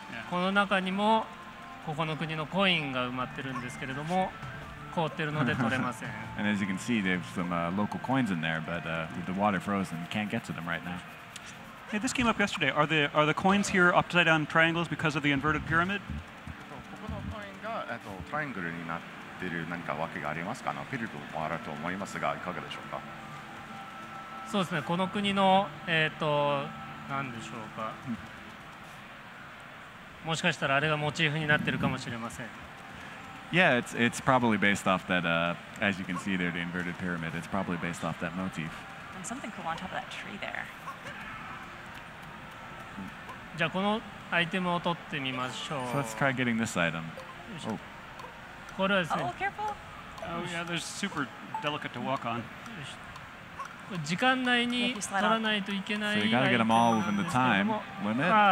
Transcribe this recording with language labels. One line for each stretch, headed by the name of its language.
Japanese: この中にもここの国のコインが埋まってるんですけれども凍ってるので取れません。
English: And as you can see, they have some local coins in there, but with the water frozen, you can't get to them right now. Hey, this came up yesterday. Are the coins here upside down triangles because of the inverted pyramid?
Japanese: ここのコインがトライアングルになって何か訳がありますか? フィルムもあると思いますが、いかがでしょうか? そうですね、この国の、何でしょうか。もしかしたらあれがモチーフになっているかもしれません。
English: Yeah, it's probably based off that, as you can see there, the inverted pyramid, it's probably based off that motif. And something cool on top of that tree there.
Japanese: じゃあこのアイテムを取ってみましょう。
English: So let's try getting this item.
Japanese: これはですね、
English: Oh, yeah, they're super delicate to walk on.
Japanese: 時間内に取らないといけない。
English: So you gotta get them all within the time limit.